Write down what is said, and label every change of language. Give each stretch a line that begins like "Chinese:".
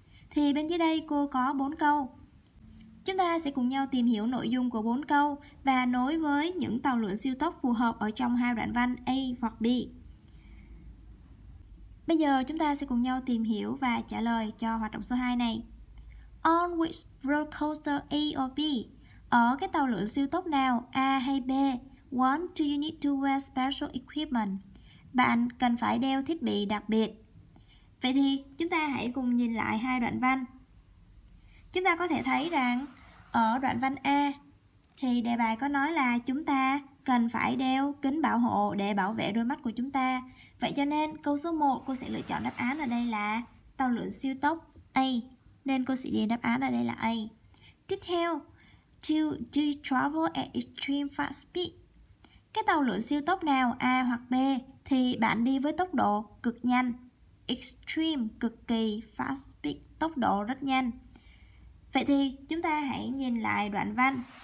Vietnamese: Thì bên dưới đây cô có 4 câu. Chúng ta sẽ cùng nhau tìm hiểu nội dung của 4 câu và nối với những tàu lượn siêu tốc phù hợp ở trong hai đoạn văn A hoặc B. Bây giờ chúng ta sẽ cùng nhau tìm hiểu và trả lời cho hoạt động số 2 này.
English: On which roller coaster A or B?
Vietnamese: Ở cái tàu lượn siêu tốc nào, A hay B?
English: What do you need to wear special equipment?
Vietnamese: Bạn cần phải đeo thiết bị đặc biệt. Vậy thì chúng ta hãy cùng nhìn lại hai đoạn văn. Chúng ta có thể thấy rằng ở đoạn văn A thì đề bài có nói là chúng ta cần phải đeo kính bảo hộ để bảo vệ đôi mắt của chúng ta. Vậy cho nên câu số 1 cô sẽ lựa chọn đáp án ở đây là tàu lượn siêu tốc A. Nên cô sẽ điền đáp án ở đây là A. Tiếp theo,
English: do you travel at extreme fast speed?
Vietnamese: Cái tàu lượn siêu tốc nào A hoặc B thì bạn đi với tốc độ cực nhanh. Extreme, cực kỳ, fast speed, tốc độ rất nhanh. Vậy thì chúng ta hãy nhìn lại đoạn văn.